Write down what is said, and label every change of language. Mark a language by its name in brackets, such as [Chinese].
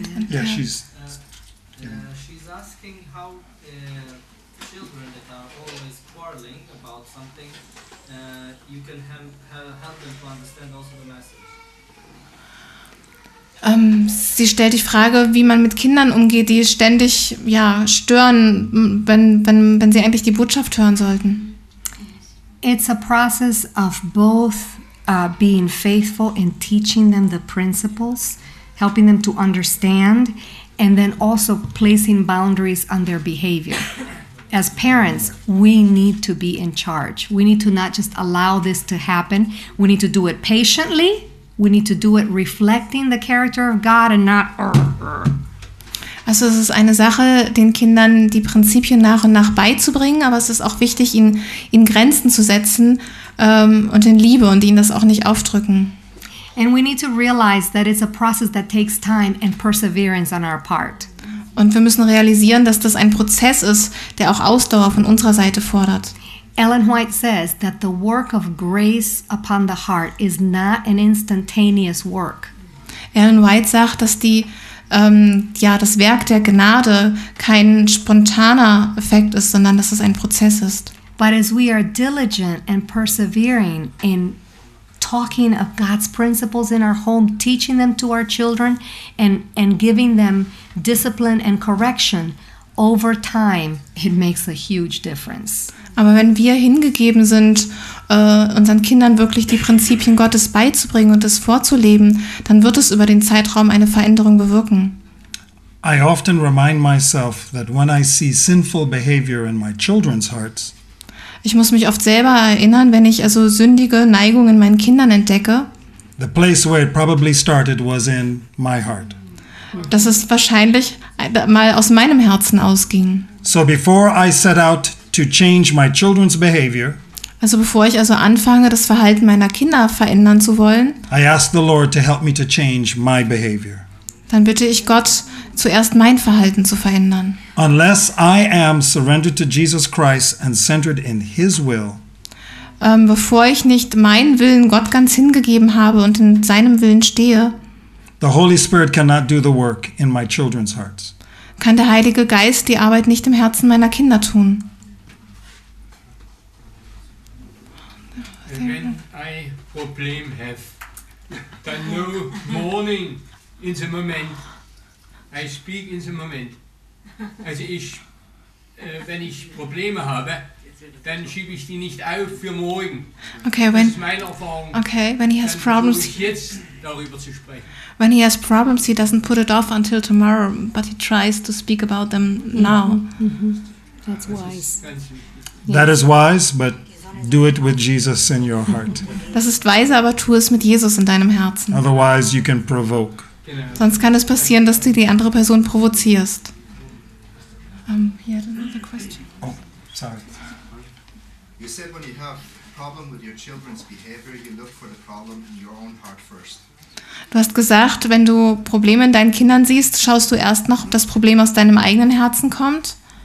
[English] She's asking how children that are always quarreling about something, you can help them to understand also the message. [German] Sie stellt die Frage, wie man mit Kindern umgeht, die ständig stören, wenn sie eigentlich die Botschaft hören sollten. [English] It's a process of both being faithful in teaching them the principles, helping them to understand, and then also placing boundaries on their behavior. As parents, we need to be in charge. We need to not just allow this to happen. We need to do it patiently. We need to do it reflecting the character of God and not... [German] Also es ist eine Sache, den Kindern die Prinzipien nach und nach beizubringen, aber es ist auch wichtig, ihnen Grenzen zu setzen und in Liebe und ihnen das auch nicht aufdrücken. [English] And we need to realize that it's a process that takes time and perseverance on our part. [German] Und wir müssen realisieren, dass das ein Prozess ist, der auch Ausdauer von unserer Seite fordert. [English] Ellen White says that the work of grace upon the heart is not an instantaneous work. [German] Ellen White sagt, dass das Werk der Gnade kein spontaner Effekt ist, sondern dass es ein Prozess ist. [English] But as we are diligent and persevering in talking of God's principles in our home, teaching them to our children, and giving them discipline and correction, over time, it makes a huge difference. [German] Aber wenn wir hingegeben sind, unseren Kindern wirklich die Prinzipien Gottes beizubringen und es vorzuleben, dann wird es über den Zeitraum eine Veränderung bewirken. [English] I often remind myself that when I see sinful behavior in my children's hearts, [German] ich muss mich oft selber erinnern, wenn ich also sündige Neigungen in meinen Kindern entdecke. [English] The place where it probably started was in my heart. [German] Dass es wahrscheinlich mal aus meinem Herzen ausging. [English] So before I set out to change my children's behavior, [German] Also bevor ich also anfange, das Verhalten meiner Kinder verändern zu wollen, [English] I ask the Lord to help me to change my behavior. [German] Dann bitte ich Gott, zuerst mein Verhalten zu verändern. [English] Unless I am surrendered to Jesus Christ and centered in his will. [German] Bevor ich nicht meinen Willen Gott ganz hingegeben habe und in seinem Willen stehe, [English] the Holy Spirit cannot do the work in my children's hearts. [German] Kann der Heilige Geist die Arbeit nicht im Herzen meiner Kinder tun. [English] When I problem have, then no mourning in the moment. I speak in the moment. [German] Also ich, wenn ich Probleme habe, dann schiebe ich die nicht auf für morgen. [English] Okay, when, [German] das ist meine Erfahrung. [English] Okay, when he has [German] dann [English] problems, [German] jetzt darüber zu sprechen. [English] When he has problems, he doesn't put it off until tomorrow, but he tries to speak about them now. Mm-hmm. That's wise. That is wise, but do it with Jesus in your heart. [German] Das ist weise, aber tu es mit Jesus in deinem Herzen. [English] Otherwise you can provoke. [German] Sonst kann es passieren, dass du die andere Person provozierst. [English] Oh, sorry. You said when you have a problem with your children's behavior, you look for the problem in your own heart first. [German] Du hast gesagt, wenn du Probleme in deinen Kindern siehst, schaust du erst noch, ob das Problem aus deinem eigenen Herzen kommt.